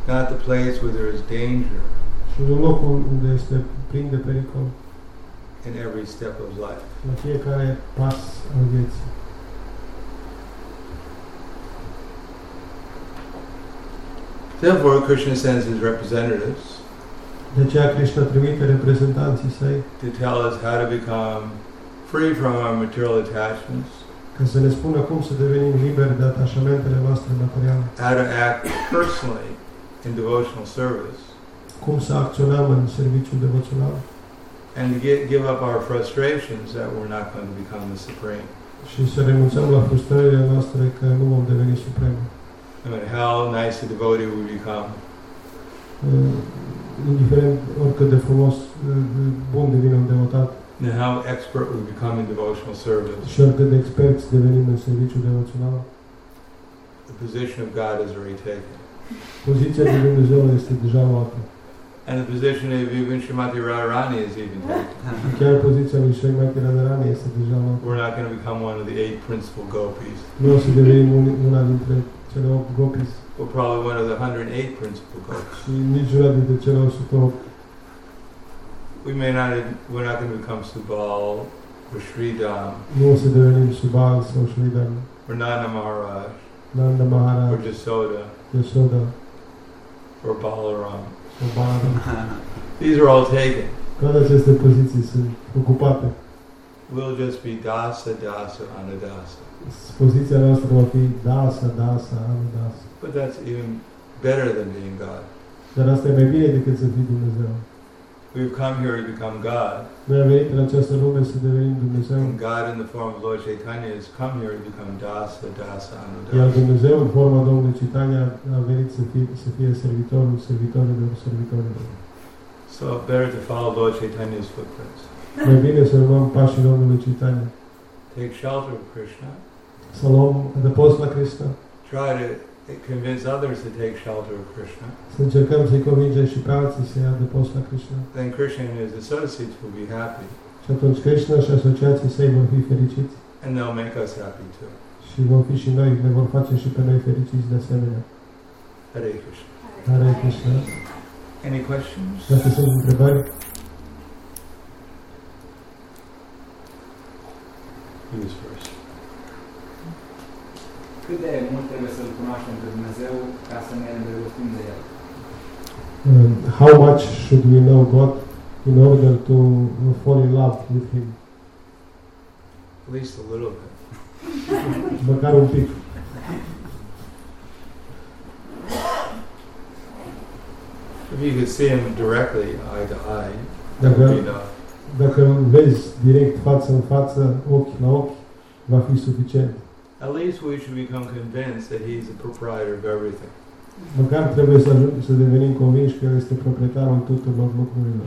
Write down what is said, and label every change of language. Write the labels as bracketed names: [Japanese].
[English] Not the place where there is danger. [Romanian] Și nu locul unde este plin de pericol. [English] In every step of life. [Romanian] La fiecare pas al vieții. [English] Therefore, Krishna sends his representatives. [Romanian] De aceea Krishna trimite reprezentanții săi. [English] To tell us how to become free from our material attachments. [Romanian] Ca să ne spună cum să devenim liberi de atașamentele noastre materiale. [English] How to act personally in devotional service. [Romanian] Cum să acționăm în serviciu devoțional. [English] And to give up our frustrations that we're not going to become the supreme. [Romanian] Și să renunțăm la frustrările noastre că nu vom deveni supremi. [English] No matter how nice a devotee we become. [Romanian] Indiferent oricât de frumos, bun devine un devotat. [English] And how expert we become in devotional service. [Romanian] Și oricât de experți devenim în serviciu devoțional. [English] The position of God is already taken. [Romanian] Poziția de Dumnezeu este deja luată. [English] And the position of even Srimati Radharani is even taken. [Romanian] Chiar poziția lui Srimati Radharani este deja luată. [English] We're not going to become one of the eight principal gopis. [Romanian] Nu o să devenim una dintre cele 8 gopis. [English] Or probably one of the 108 principal gopis. [Romanian] Și nici una dintre cele 108. [English] We're not going to become Subal or Sridham. [Romanian] Nu o să devenim Subal sau Sridham. [English] Or Nanda Maharaj. [Romanian] Nanda Maharaj. [English] Or Yasoda. [Romanian] Yasoda. [English] Or Balaram. Or Balaram. These are all taken. [Romanian] Toate aceste poziții sunt ocupate. [English] We'll just be Dasa, Dasa, Anadasa. [Romanian] Poziția noastră va fi dasa, dasa, anadasa. [English] But that's even better than being God. [Romanian] Dar asta e mai bine decât să fii Dumnezeu. [English] We've come here to become God. [Romanian] Noi am venit în această lume să devenim Dumnezeu. [English] And God in the form of Lord Chaitanya has come here to become dasa, dasa, anadasa. [Romanian] Iar Dumnezeu în forma Domnului Chaitanya a venit să fie servitorul servitorilor servitorilor. [English] So better to follow Lord Chaitanya's footprints. [Romanian] Mai bine să urmăm pașii Domnului Chaitanya. [English] Take shelter of Krishna. [Romanian] Să luăm adăpost la Krishna. [English] Try to convince others to take shelter of Krishna. [Romanian] Să încercăm să-i convingem și pe alții să ia adăpost la Krishna. [English] Then Krishna and his associates will be happy. [Romanian] Și atunci Krishna și asociații săi vor fi fericiți. [English] And they'll make us happy too. [Romanian] Și vom fi și noi, ne vor face și pe noi fericiți de asemenea. [English] Hare Krishna. [Romanian] Hare Krishna. [English] Any questions? [Romanian] Dacă sunt întrebări? [English] In this verse. [Romanian] Cât de mult trebuie să-L cunoaștem pe Dumnezeu ca să ne îndrăgostim de El? [English] How much should we know God in order to fall in love with Him? At least a little bit. [Romanian] Măcar un pic. [English] If you could see Him directly, eye to eye, [Romanian] dacă, dacă vezi direct față în față, ochi la ochi, va fi suficient. [English] At least we should become convinced that He's the proprietor of everything. [Romanian] Măcar trebuie să, să devenim convinși că El este proprietarul tuturor lucrurilor.